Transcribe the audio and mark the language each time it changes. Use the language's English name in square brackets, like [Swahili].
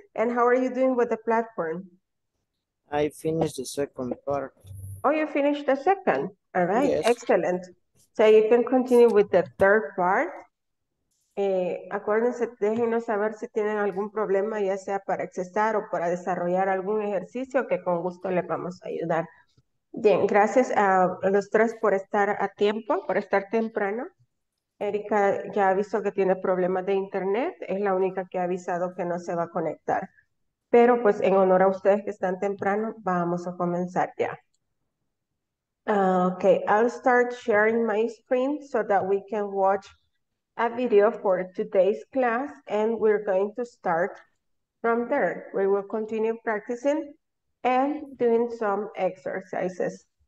[English] And how are you doing with the platform? I finished the second part. Oh, you finished the second. All right, Yes. excellent. So you can continue with the third part. [Spanish] Acuérdense, déjenos saber si tienen algún problema, ya sea para accesar o para desarrollar algún ejercicio que con gusto les vamos a ayudar. Bien, gracias a los tres por estar a tiempo, por estar temprano. Erika ya avisó que tiene problemas de internet, es la única que ha avisado que no se va a conectar. Pero pues en honor a ustedes que están temprano, vamos a comenzar ya. [English] Okay, I'll start sharing my screen so that we can watch a video for today's class and we're going to start from there. We will continue practicing and doing some exercises.